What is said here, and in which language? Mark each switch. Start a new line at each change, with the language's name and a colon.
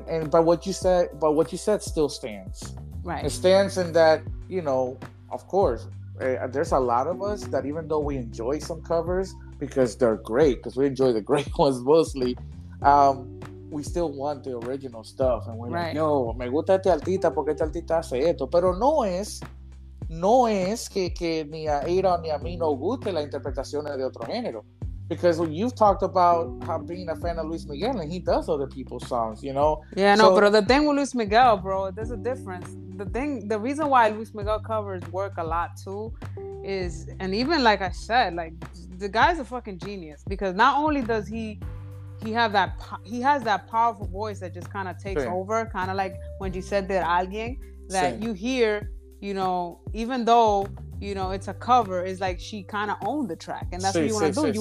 English: But what you said still stands. Right. It stands in that, you know, of course, there's a lot of us that, even though we enjoy some covers, because they're great, because we enjoy the great ones mostly, we still want the original stuff. And we're like,
Spanish: yo, me gusta este artista porque este artista hace esto. Pero no es que ni a Aaron ni a mí no guste la interpretación de otro género.
English: Because you've talked about how being a fan of Luis Miguel, and he does other people's songs, you know? Yeah, no, but the thing with Luis Miguel, bro, there's a difference. The reason why Luis Miguel covers work a lot too is, and even like I said, like, the guy's a fucking genius, because not only does he has that powerful voice that just kind of takes over, kind of like when you said that alguien that you hear, you know, even though, you know, it's a cover, it's like she kind of owned the track, and that's what you want to do.